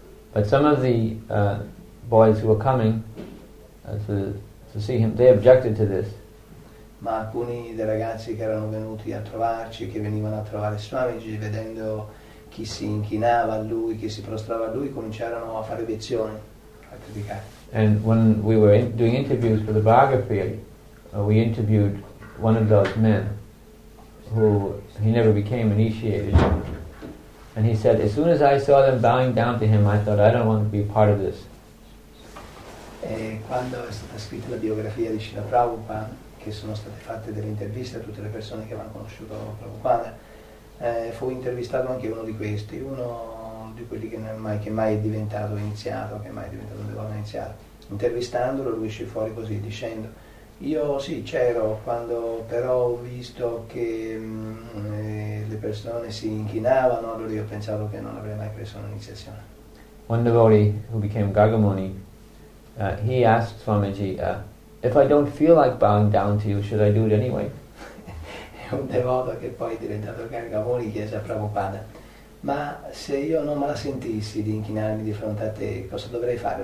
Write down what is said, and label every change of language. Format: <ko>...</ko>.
<en>But some of the boys who were coming to see him, they objected to this.</en> <it>Ma alcuni dei ragazzi che erano venuti a trovarci, che venivano a trovare Swamiji, vedendo chi si inchinava a lui, chi si prostrava a lui, cominciarono a fare obiezioni, a criticare.</it> <en>And when we were doing interviews for the biography, we interviewed one of those men, who he never became initiated. And he said, as soon as I saw them bowing down to him, I thought, I don't want to be part of this.</en> <it>E quando è stata scritta la biografia di Srila Prabhupada, che sono state fatte delle interviste a tutte le persone che avevano conosciuto Prabhupada, fu intervistato anche uno di questi, uno di quelli che mai è diventato un devoto iniziato. Intervistandolo lui uscì fuori così, dicendo, io sì, c'ero, quando però ho visto che le persone si inchinavano, allora io ho pensato che non avrei mai preso un'iniziazione. Un devoto che</it> <en>became Gagamuni, he asked Swamiji, if I don't feel like bowing down to you, should I do it anyway?</en> <it>Un devoto che poi è diventato Gargamuni chiese a Prabhupada, ma se io non me la sentissi di inchinarmi di fronte a te, cosa dovrei fare?</it>